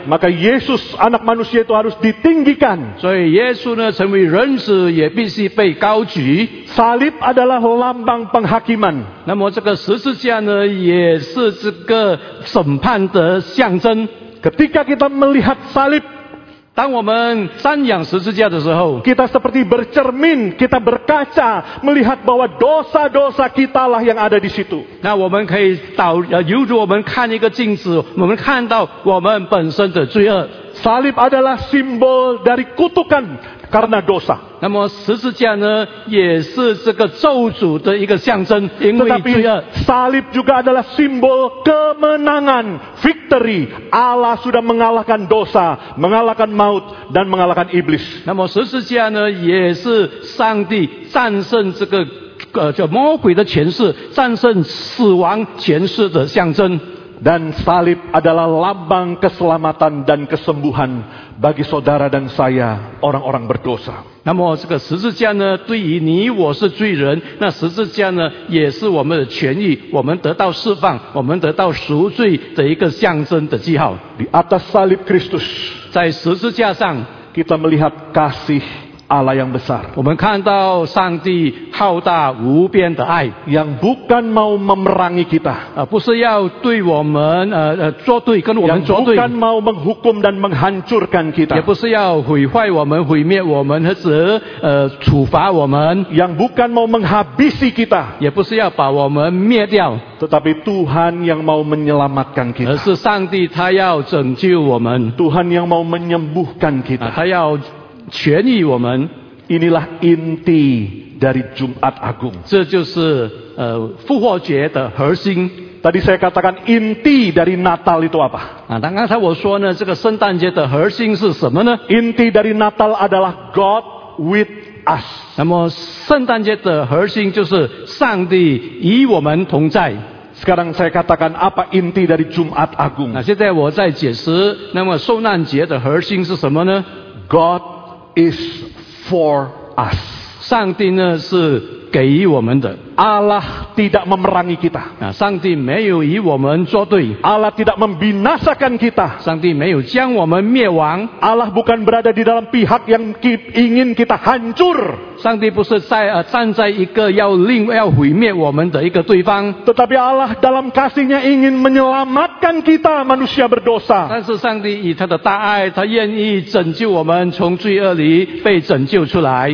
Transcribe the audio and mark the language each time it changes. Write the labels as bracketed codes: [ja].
[id] Maka Yesus anak manusia itu harus ditinggikan. [zh] 所以耶稣呢成为人子也必须被高举。 [id] Salib adalah lambang penghakiman. [zh] 那么这个十字架呢也是这个审判的象征。 [id] Ketika kita melihat salib, [zh] 当我们瞻仰十字架的时候， [id] kita seperti bercermin, kita berkaca melihat bahwa dosa-dosa kita lah yang ada di situ. [zh] 那我们可以导，犹如我们看一个镜子，我们看到我们本身的罪恶。 [id] Salib adalah simbol dari kutukan karena dosa. [zh] 那么十字架呢，也是这个咒诅的一个象征，因为罪恶。 [id] Salib juga adalah simbol kemenangan, victory. Allah sudah mengalahkan dosa, mengalahkan maut, dan mengalahkan iblis. [zh] 那么十字架呢，也是上帝战胜这个叫魔鬼的权势，战胜死亡权势的象征。 [id] Dan salib adalah lambang keselamatan dan kesembuhan bagi saudara dan saya orang-orang berdosa. [zh] 那么这个十字架呢，对于你我是罪人，那十字架呢也是我们的权益，我们得到释放，我们得到赎罪的一个象征的记号。 [id] Di atas salib Kristus, [zh] 在十字架上， [id] kita melihat kasih Allah yang besar. [zh] 我们看到上帝浩大无边的爱。 [id] Yang bukan mau memerangi kita. [zh] 不是要对我们作对，跟我们作对。 [id] Yang bukan mau menghukum dan menghancurkan kita. [zh] 也不是要毁坏我们，毁灭我们，或者处罚我们。 [id] Yang bukan mau menghabisi kita. [zh] 也不是要把我们灭掉。 [id] Tetapi Tuhan yang mau menyelamatkan kita. [zh] 而是上帝他要拯救我们。 [id] Tuhan yang mau menyembuhkan kita. [zh] 他要权益我们。 [id] Inilah inti dari Jumat Agung. [zh] 这就是复活节的核心。 [id] Tadi saya katakan inti dari Natal itu apa? [zh] 刚刚才我说呢，这个圣诞节的核心是什么呢？ [id] Inti dari Natal adalah [en] God with us. [zh] 那么圣诞节的核心就是上帝与我们同在。 [id] Sekarang saya katakan apa inti dari Jumat Agung. [zh] 现在我在解释，那么圣诞节的核心是什么呢？ [en] GodIs for us. [zh] 上帝呢是给我们的。 [id] Allah tidak memerangi kita. [zh] 上帝没有与我们作对。 [id] Allah tidak membinasakan kita. [zh] 上帝没有将我们灭亡。 [id] Allah bukan berada di dalam pihak yang ingin kita hancur. [zh] 上帝不是在站在一个要毁灭我们的一个对方。 [id] Tetapi Allah dalam kasihnya ingin menyelamatkan kita manusia berdosa. [zh] 但是上帝以他的大爱，他愿意拯救我们从罪恶里被拯救出来。